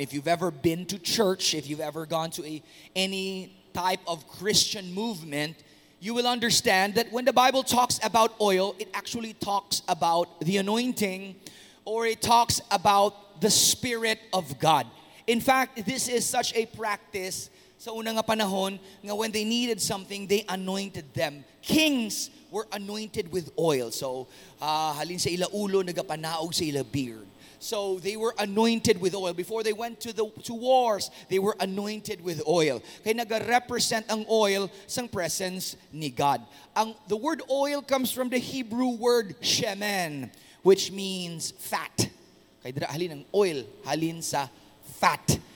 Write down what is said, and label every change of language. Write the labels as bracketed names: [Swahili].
[English] If you've ever been to church, if you've ever gone to any type of Christian movement, you will understand that when the Bible talks about oil, it actually talks about the anointing, or it talks about the Spirit of God. In fact, this is such a practice [Hiligaynon] sa unang panahon nga [English] when they needed something, they anointed them. Kings were anointed with oil. [Hiligaynon] So, halin sa ila ulo, nagapanaog sa ila beard. [English] So they were anointed with oil. Before they went to wars, they were anointed with oil. [Hiligaynon] Kaya nag-represent ang oil sa presence ni God. [English] The word oil comes from the Hebrew word shemen, which means fat. [Hiligaynon] Kaya dira halin ang oil, halin sa fat.